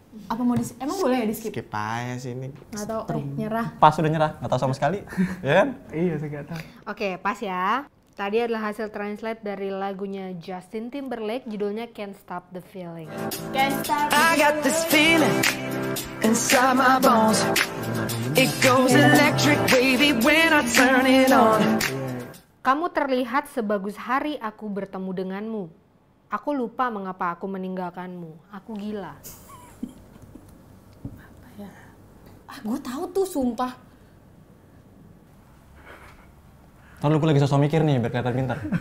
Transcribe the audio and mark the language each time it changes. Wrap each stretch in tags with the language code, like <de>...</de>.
<id>Apa mau di emang boleh ya di skip? Skip aja sih ini. Enggak tahu, nyerah. Pas udah nyerah, enggak tahu sama sekali. Ya kan? Iya, saya enggak tahu. Oke, pas ya. Tadi adalah hasil translate dari lagunya Justin Timberlake, judulnya Can't Stop the Feeling.</id> <en>Can't stop the feeling. I got this feeling inside my bones. It goes electric wavy when I turn it on.</en> <id>Kamu terlihat sebagus hari aku bertemu denganmu. Aku lupa mengapa aku meninggalkanmu. Aku gila. Apa ya? Ah, gue tahu tuh, sumpah. Tahu gue lagi sosok mikir nih, biar kelihatan pintar.</id>